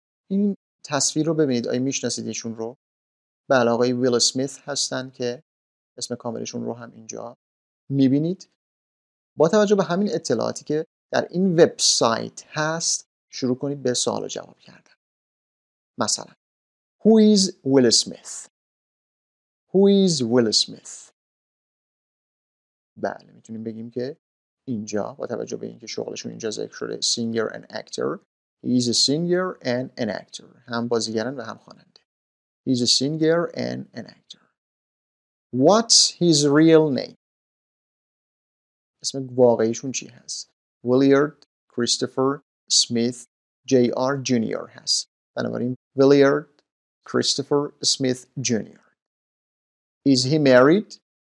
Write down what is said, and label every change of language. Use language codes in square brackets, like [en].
[fa] این تصویر رو ببینید، آیا میشناسید ایشون رو؟ بله، آقای ویل اسمیت هستن که اسم کاملشون رو هم اینجا میبینید. با توجه به همین اطلاعاتی که در این وبسایت هست شروع کنید به سوال و جواب کردن. [en] مثلا Who is Will Smith? Who is Will Smith? [fa] بله، میتونیم بگیم که اینجا با توجه به اینکه شغلشون اینجا ذکر شده [en] Singer and Actor. He is a singer and an actor. [fa] هم بازیگرن و هم خواننده. [en] He is a singer and an actor. What's his real name? [fa] اسم واقعیشون چی هست؟ ویلیارد کریستوفر سمیت جی آر جونیور هست. بنابراین ویلیارد کریستوفر سمیت جونیور. [en] Is he married?